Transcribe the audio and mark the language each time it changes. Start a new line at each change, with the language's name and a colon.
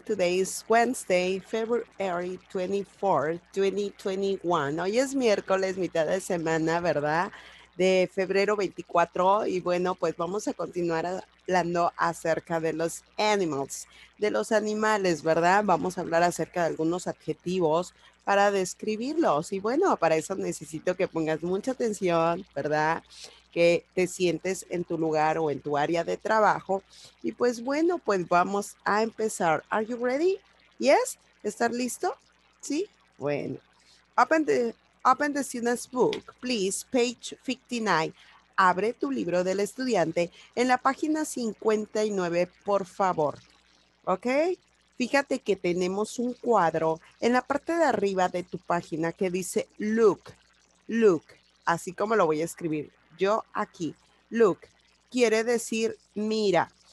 English: Today is Wednesday, February 24, 2021.
Spanish: Hoy es miércoles, mitad de semana, ¿verdad? De febrero 24. Y bueno, pues vamos a continuar hablando acerca de los animals, de los animales, ¿verdad? Vamos a hablar acerca de algunos adjetivos para describirlos. Y bueno, para eso necesito que pongas mucha atención, ¿verdad? Que te sientes en tu lugar o en tu área de trabajo. Y pues bueno, pues vamos a empezar.
English: Are you ready? Yes?
Spanish: ¿Estás listo? Sí. Bueno.
English: Open the student's book, please. Page 59.
Spanish: Abre tu libro del estudiante en la página 59, por favor. ¿Ok? Fíjate que tenemos un cuadro en la parte de arriba de tu página que dice look. Look. Así como lo voy a escribir. Yo aquí, look, quiere decir mira.